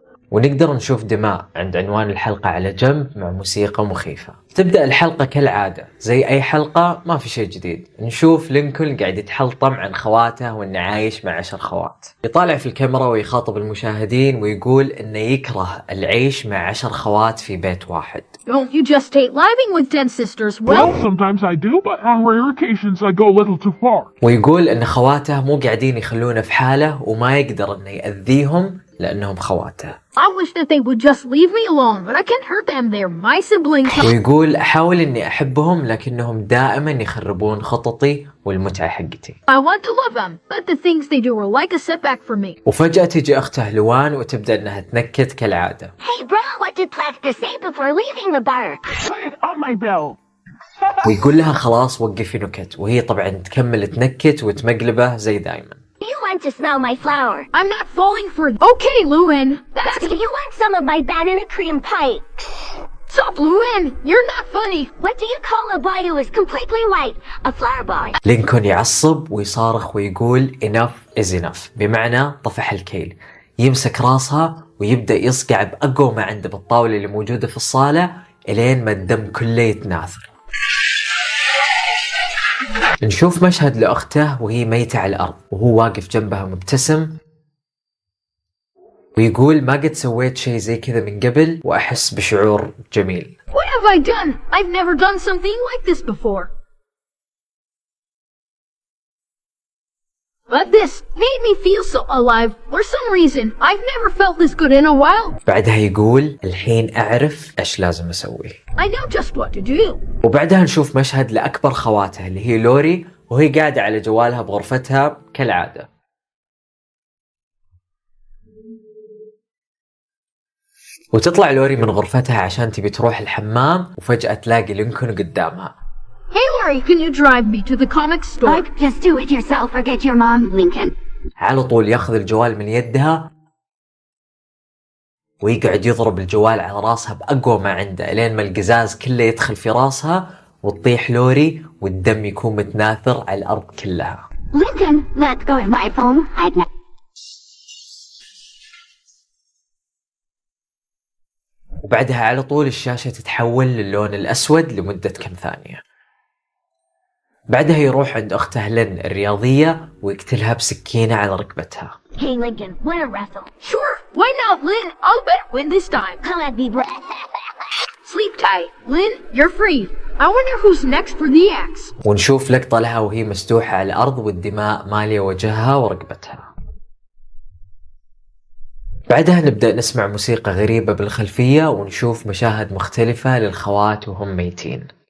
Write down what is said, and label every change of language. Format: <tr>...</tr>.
<ar>ونقدر نشوف دماء عند عنوان الحلقة على جنب مع موسيقى مخيفة. تبدأ الحلقة كالعادة زي أي حلقة، ما في شيء جديد. نشوف لينكولن قاعد يتحلطم عن خواته وإنه عايش مع 10 خوات. يطالع في الكاميرا ويخاطب المشاهدين ويقول إنه يكره العيش مع 10 خوات في بيت واحد.</ar> <en>Don't you just hate living with ten sisters? Well, sometimes I do, but on rare occasions I go a little too far.</en> <ar>ويقول إن خواته مو قاعدين يخلونه في حاله وما يقدر إنه يأذيهم لأنهم خواته.</ar> <en>I wish that they would just leave me alone, but I can't hurt them. They're my siblings.</en> <ar>ويقول أحاول إني أحبهم لكنهم دائما يخربون خططي والمتعة حقتي.</ar> <en>I want to love them, but the things they do are like a setback for me.</en> <ar>وفجأة تجي أخته لوان وتبدأ أنها تنكت كالعادة.</ar> <en>Hey bro, what did Plaster say before leaving the bar? On my bell.</en> <ar>ويقول لها خلاص وقفي نكت، وهي طبعا تكمل تنكت وتمقلبه زي دائما.</ar> <en>You want to smell my flower. I'm not falling for it. Okay, Lewin. That's... You want some of my banana cream pie? Stop, Lewin. You're not funny. What do you call a boy who is completely white? A flower boy.</en> <ar>لينكون يعصب ويصارخ ويقول</ar> <en>enough is enough.</en> <ar>بمعنى طفح الكيل. يمسك راسها ويبدأ يصقع بأقوى ما عنده بالطاولة اللي موجودة في الصالة إلين ما الدم كله يتناثر. نشوف مشهد لأخته وهي ميتة على الأرض وهو واقف جنبها مبتسم ويقول ما قد سويت شيء زي كذا من قبل وأحس بشعور جميل.</ar> <en>What have I done? I've never done something like this before. But this made me feel so alive for some reason. I've never felt this good in a while.</en> <ar>بعدها يقول الحين أعرف إيش لازم أسوي.</ar> <en>I know just what to do.</en> <ar>وبعدها نشوف مشهد لأكبر خواتها اللي هي لوري وهي قاعدة على جوالها بغرفتها كالعادة. وتطلع لوري من غرفتها عشان تبي تروح الحمام وفجأة تلاقي لينكون قدامها.</ar> <en>Hey Lori, can you drive me to the comic store? Just do it yourself or get your mom, Lincoln.</en> <ar>على طول ياخذ الجوال من يدها ويقعد يضرب الجوال على راسها بأقوى ما عنده لين ما القزاز كله يدخل في راسها وتطيح لوري والدم يكون متناثر على الأرض كلها.</ar> <en>Lincoln, let go of my phone.</en> <ar>وبعدها على طول الشاشة تتحول للون الأسود لمدة كم ثانية. بعدها يروح عند أخته لين الرياضية ويقتلها بسكينة على ركبتها.</ar> <en>Hey Lincoln, win a wrestle. Sure, why not, Lynn? I'll bet win this time. Come at me, bro. Sleep tight, Lynn. You're free. I wonder who's next for the axe.</en> <ar>ونشوف لقطة لها وهي مستوحة على الأرض والدماء مالية وجهها ورقبتها. بعدها نبدأ نسمع موسيقى غريبة بالخلفية ونشوف مشاهد مختلفة للخوات وهم ميتين.</ar>